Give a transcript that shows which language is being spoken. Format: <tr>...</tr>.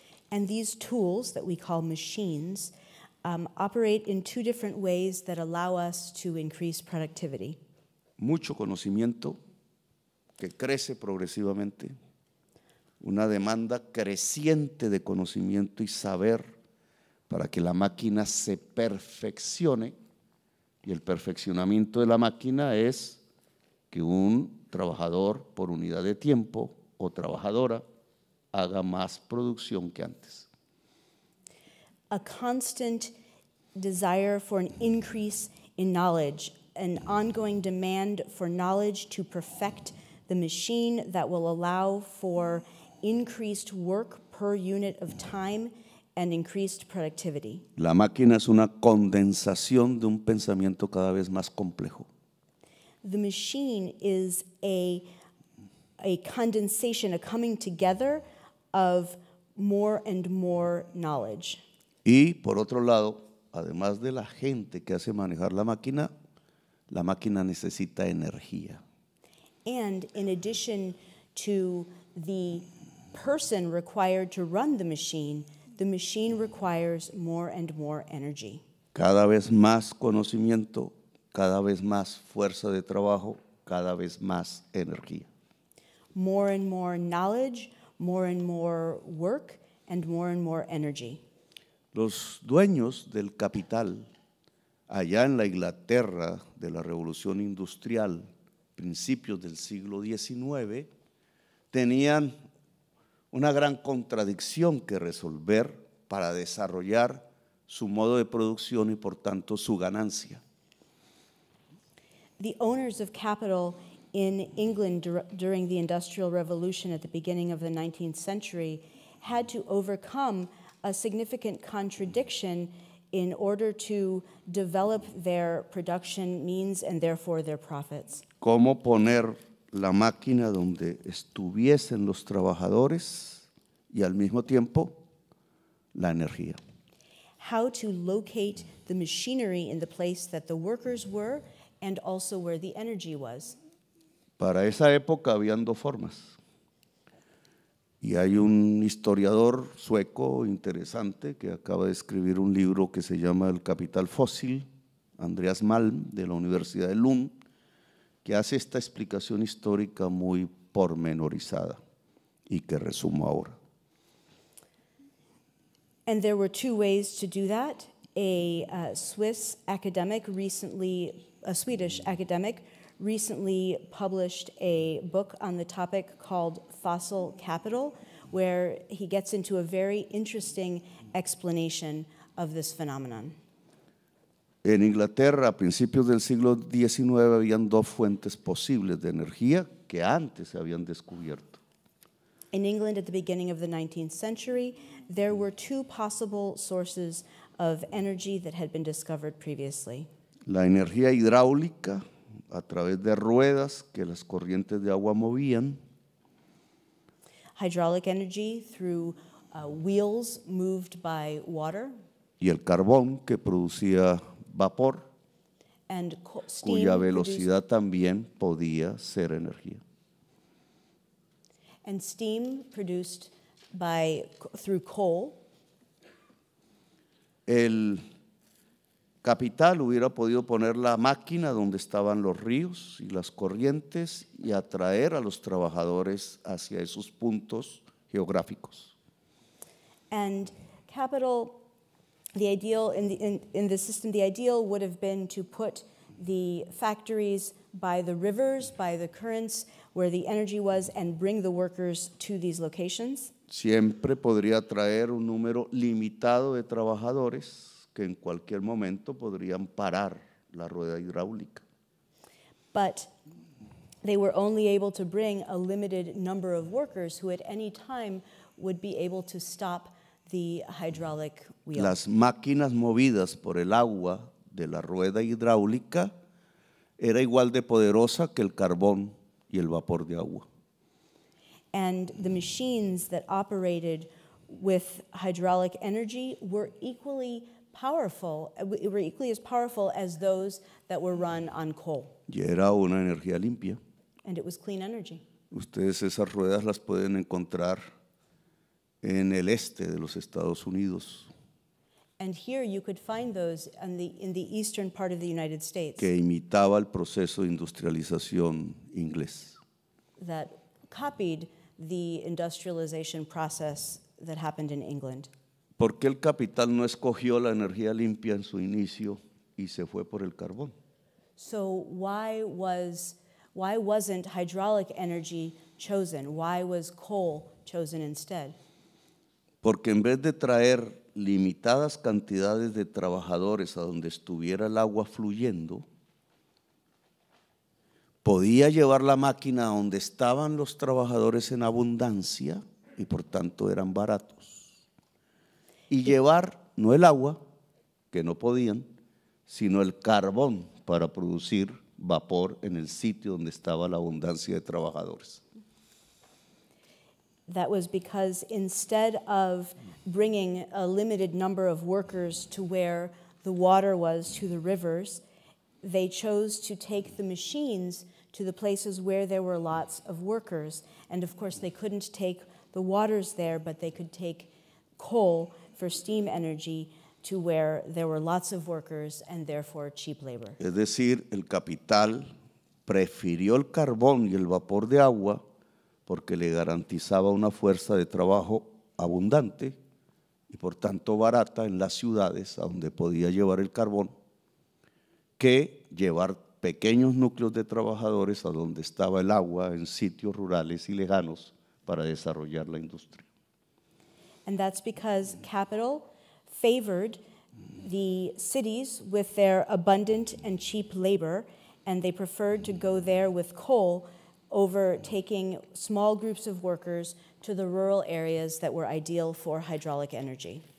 <en>And these tools that we call machines operate in two different ways that allow us to increase productivity.</en> <es>Mucho conocimiento que crece progresivamente, una demanda creciente de conocimiento y saber para que la máquina se perfeccione, y el perfeccionamiento de la máquina es que un trabajador por unidad de tiempo o trabajadora haga más producción que antes.</es> <en>A constant desire for an increase in knowledge, an ongoing demand for knowledge to perfect the machine that will allow for increased work per unit of time and increased productivity.</en> <es>La máquina es una condensación de un pensamiento cada vez más complejo.</es> <en>The machine is a condensation, a coming together of more and more knowledge.</en> <es>Y por otro lado, además de la gente que hace manejar la máquina necesita energía.</es> <en>And in addition to the person required to run the machine requires more and more energy.</en> <es>Cada vez más conocimiento, cada vez más fuerza de trabajo, cada vez más energía.</es> <en>More and more knowledge, more and more work, and more energy.</en> <es>Los dueños del capital, allá en la Inglaterra de la Revolución Industrial, principios del siglo XIX, tenían una gran contradicción que resolver para desarrollar su modo de producción y, por tanto, su ganancia.</es> <en>The owners of capital in England during the Industrial Revolution at the beginning of the 19th century had to overcome a significant contradiction in order to develop their production means and therefore their profits.</en> <es>¿Cómo poner la máquina donde estuviesen los trabajadores y al mismo tiempo la energía?</es> <en>How to locate the machinery in the place that the workers were and also where the energy was.</en> <es>Para esa época habían dos formas. Y hay un historiador sueco interesante que acaba de escribir un libro que se llama El Capital Fósil, Andreas Malm, de la Universidad de Lund, que hace esta explicación histórica muy pormenorizada y que resumo ahora.</es> <en>And there were two ways to do that. A Swedish academic recently published a book on the topic called Fossil Capital, where he gets into a very interesting explanation of this phenomenon.</en> <es>En Inglaterra, a principios del siglo XIX, habían dos fuentes posibles de energía que antes se habían descubierto.</es> <en>In England, at the beginning of the 19th century, there were two possible sources of energy that had been discovered previously.</en> <es>La energía hidráulica, a través de ruedas que las corrientes de agua movían.</es> <en>Hydraulic energy through wheels moved by water.</en> <es>Y el carbón que producía vapor,</es> <en>and</en> <es>cuya velocidad</es> <en>produced,</en> <es>también podía ser energía.</es> <en>And steam produced by, through coal.</en> <es>El capital hubiera podido poner la máquina donde estaban los ríos y las corrientes y atraer a los trabajadores hacia esos puntos geográficos.</es> <en>And capital, the ideal in the system, the ideal would have been to put the factories by the rivers, by the currents, where the energy was, and bring the workers to these locations.</en> <es>Siempre podría traer un número limitado de trabajadores que en cualquier momento podrían parar la rueda hidráulica.</es> <en>But they were only able to bring a limited number of workers who at any time would be able to stop the hydraulic wheel.</en> <es>Las máquinas movidas por el agua de la rueda hidráulica era igual de poderosa que el carbón y el vapor de agua.</es> <en>And the machines that operated with hydraulic energy were equally powerful, were equally as powerful as those that were run on coal.</en> <es>Y era una energía limpia.</es> <en>And it was clean energy.</en> <es>Ustedes esas ruedas las pueden encontrar en el este de los Estados Unidos.</es> <en>And here you could find those in the eastern part of the United States.</en> <es>Que imitaba el proceso de industrialización inglés.</es> <en>That copied the industrialization process that happened in England.</en> <es>¿Por qué el capital no escogió la energía limpia en su inicio y se fue por el carbón?</es> <en>So why wasn't hydraulic energy chosen? Why was coal chosen instead?</en> <es>Porque en vez de traer limitadas cantidades de trabajadores a donde estuviera el agua fluyendo, podía llevar la máquina a donde estaban los trabajadores en abundancia y por tanto eran baratos. Y llevar no el agua, que no podían, sino el carbón para producir vapor en el sitio donde estaba la abundancia de trabajadores.</es> <en>That was because instead of bringing a limited number of workers to where the water was, to the rivers, they chose to take the machines to the places where there were lots of workers. And of course, they couldn't take the waters there, but they could take coal for steam energy to where there were lots of workers and therefore cheap labor.</en> <es>Es decir, el capital prefirió el carbón y el vapor de agua porque le garantizaba una fuerza de trabajo abundante y por tanto barata en las ciudades a donde podía llevar el carbón, que llevar pequeños núcleos de trabajadores a donde estaba el agua en sitios rurales y lejanos para desarrollar la industria.</es> <en>And that's because capital favored the cities with their abundant and cheap labor, and they preferred to go there with coal over taking small groups of workers to the rural areas that were ideal for hydraulic energy.</en>